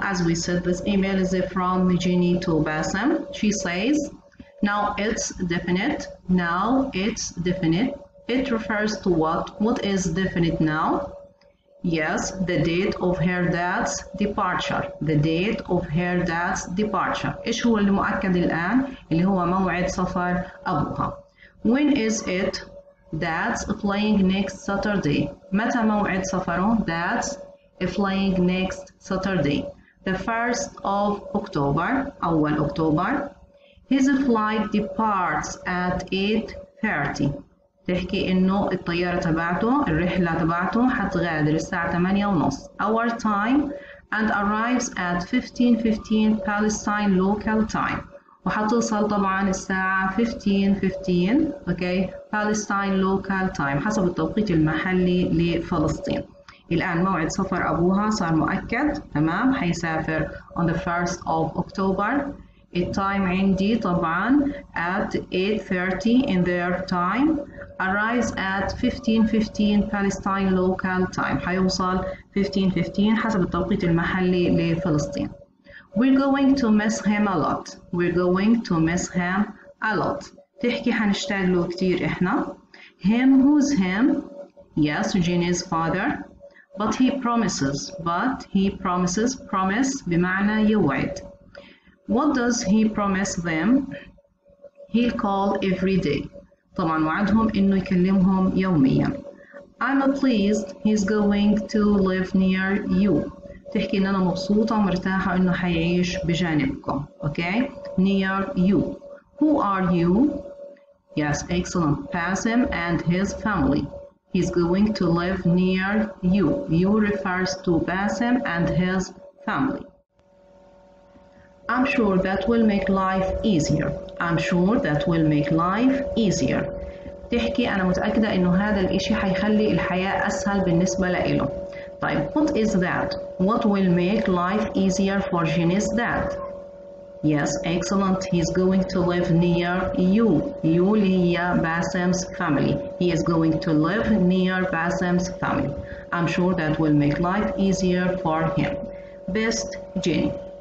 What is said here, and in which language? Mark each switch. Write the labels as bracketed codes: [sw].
[en] As we said, this email is from Jenny to Basem. She says, now it's definite. Now it's definite. It refers to what? What is definite now? Yes, the date of her dad's departure. The date of her dad's departure. [ar] إيش هو اللي مؤكد الآن؟ اللي هو موعد سفر أبوها. [en] When is it? Dad's flying next Saturday. [ar] متى موعد سفره؟ [en] Dad's flying next Saturday, the 1st of October, [ar] أول أكتوبر. [en] His flight departs at 8:30. [ar] تحكي إنه الطيارة تبعته، الرحلة تبعته حتغادر الساعة 8:30. [en] Our time and arrives at 15:15 Palestine local time. [ar] وحتوصل طبعاً الساعة 15:15 [en] okay, Palestine local time [ar] حسب التوقيت المحلي لفلسطين. الآن موعد سفر أبوها صار مؤكد تمام حيسافر [en] on the 1st of October. [ar] التايم عندي طبعا [en] at 8:30 in their time. Arrives at 15:15 Palestine local time. [ar] حيوصل 15:15 حسب التوقيت المحلي لفلسطين. [en] We're going to miss him a lot. We're going to miss him a lot. [ar] تحكي حنشتاق له كتير إحنا. [en] Him, who's him? Yes, Jenny's father. But he promises, promise [ar] بمعنى يوعد. [en] What does he promise them? He'll call every day. [ar] طبعا وعدهم إنه يكلمهم يوميا. [en] I'm pleased he's going to live near you. [ar] تحكي إن أنا مبسوطة ومرتاحة إنه حيعيش بجانبكم. [en] Okay? Near you. Who are you? Yes, excellent. Basem and his family. He's going to live near you. You refers to Basem and his family. I'm sure that will make life easier. I'm sure that will make life easier. [ar] تحكي أنا متأكدة إنه هذا الإشي حيخلي الحياة أسهل بالنسبة لإله. [en] طيب, what is that? What will make life easier for Jenny's dad? Yes, excellent. He's going to live near you. You, Leah Basem's family. He is going to live near Basem's family. I'm sure that will make life easier for him. Best, Jenny.